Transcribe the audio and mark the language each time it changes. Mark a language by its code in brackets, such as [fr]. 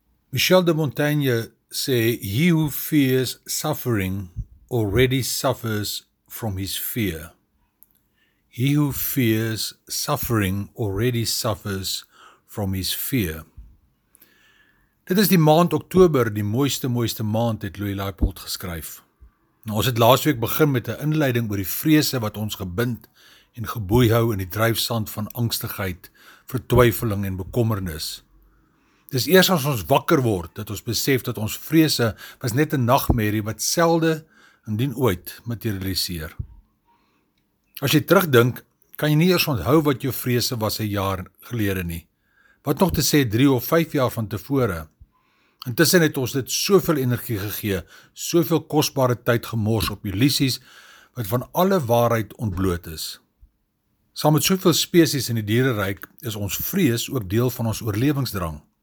[en] Michel de Montaigne [af] sê, [en] "He who fears suffering already suffers from his fear." He who fears suffering already suffers from his fear. [af] Dit is die maand Oktober, die mooiste maand, het Louis Leipold geskryf. Nou, ons het laasweek begin met 'n inleiding oor die vrese wat ons gebind en geboei hou in die drijfsand van angstigheid, vertwyfeling en bekommernis. Dis eers as ons wakker word, dat ons besef dat ons vrese was net 'n nagmerrie wat selde, indien ooit, materialiseer. As jy terugdink, kan jy nie eers onthou wat jou vrese was 'n jaar gelede nie. Wat nog te sê 3 of 5 jaar van tevore. Intussen het ons dit soveel energie gegee, soveel kosbare tyd gemors op illusies, wat van alle waarheid ontbloot is. Saam met soveel spesies in die diereryk is ons vrees ook deel van ons oorlewingsdrang.